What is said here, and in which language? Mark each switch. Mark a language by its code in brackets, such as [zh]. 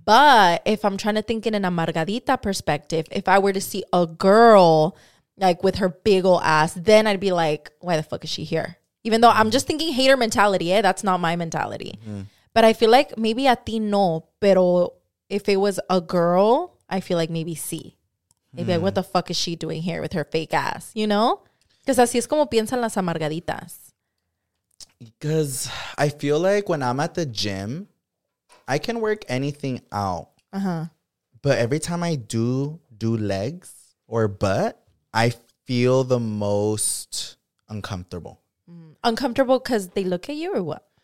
[en] But if I'm trying to think in an amargadita perspective, if I were to see a girl like with her big old ass, then I'd be like, why the fuck is she here? Even though I'm just thinking hater mentality, eh? That's not my mentality. Mm-hmm. But I feel like maybe a ti no, pero if it was a girl, I feel like maybe sí. Maybe like, what the fuck is she doing here with her fake ass, you know? [es] Because así es como piensan las amargaditas. [en] Because I feel like when I'm at the gym, I can work anything out. Uh-huh. But every time I do legs or butt, I feel the most uncomfortable. Uncomfortable because they look at you or what?